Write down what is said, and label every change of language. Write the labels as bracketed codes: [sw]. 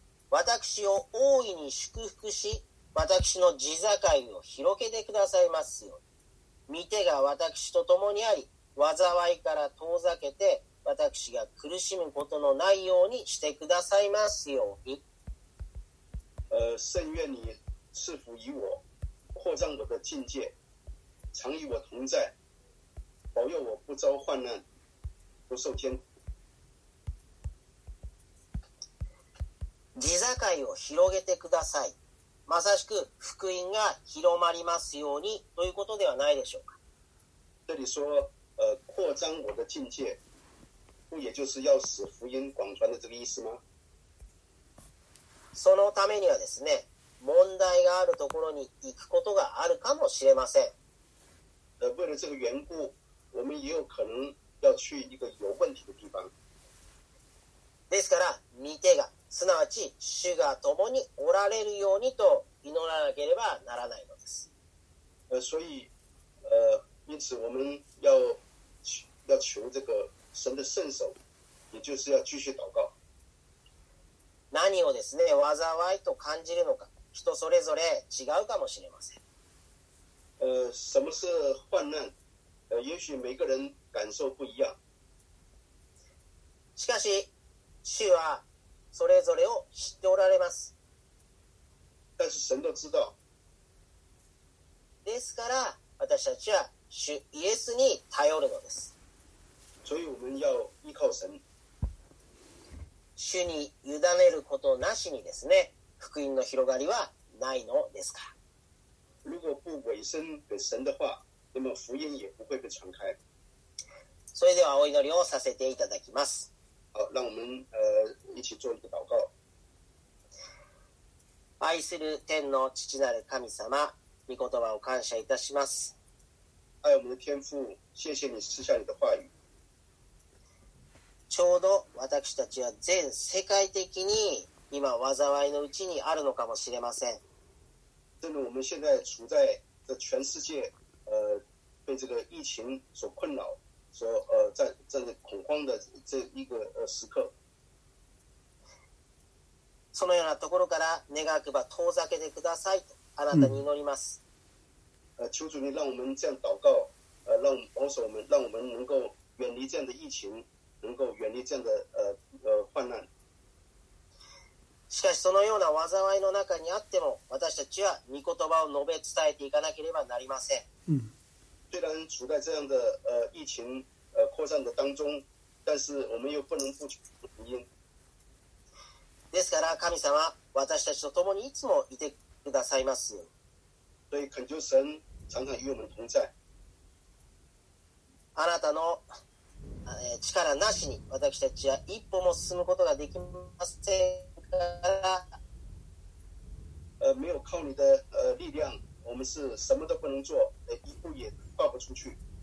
[ja] 私を大いに祝福し、私の地境を広げてくださいますように。御手が私と共にあり、災いから遠ざけて、私が苦しむことのないようにしてくださいますように。 [zh] 圣愿你赐福于我，扩张我的境界，常与我同在，保佑我不遭患难，不受艰苦。 [ja] 地境を広げてください、まさしく福音が広まりますようにということではないでしょうか。 [zh] 这里说扩张我的境界不也就是要使福音广传的这个意思吗？ [ja] そのためにはですね、問題があるところに行くことがあるかもしれません。 [zh] 为了这个缘故我们也有可能要去一个有问题的地方。 [ja] ですから見てが、すなわち主が共におられるようにと祈らなければならないのです。 [zh] 所以因此我们要求这个神的圣手，也就是要继续祷告。 [ja] 何をですね、災いと感じるのか、人それぞれ違うかもしれません。 [zh] 什么是患难？也许每个人感受不一样。 [ja] しかし、主はそれぞれを知っておられます。 [zh] 但是神都知道。 [ja] ですから、私たちは主イエスに頼るのです。 [zh] 所以我们要依靠神。 [ja] 主に委ねることなしにですね、福音の広がりはないのですか。 [zh] 如果不委身给神的话，那么福音也不会被传开。 [ja] それではお祈りをさせていただきます。 [zh] 好，让我们一起做一个祷告。 [ja] 愛する天の父なる神様、御言葉を感謝いたします。 [zh] 爱我们的天父，谢谢你赐下你的话语。 [ja] ちょうど私たちは全世界的に今災いのうちにあるのかもしれません。 [zh] 正如我们现在处在这全世界被这个疫情所困扰所在恐慌的这一个时刻。 [ja] そのようなところから願くば遠ざけてくださいとあなたに祈ります。 [zh] 求主你让我们这样祷告让保守我们让我们能够远离这样的疫情能够远离这样的患难。 [ja] しかしそのような災いの中にあっても私たちは御言葉を述べ伝えていかなければなりません。 [zh] 虽然处在这样的疫情扩散的当中但是我们又不能不福音。 [ja] ですから神様私たちと共にいつもいてくださいます。 [zh] 所以恳求神常常与我们同在。 [ja] あなたの力なしに私たちは一歩も進むことができませんから。 [zh] 没有靠你的力量，我们是什么都不能做，一步也跨不出去。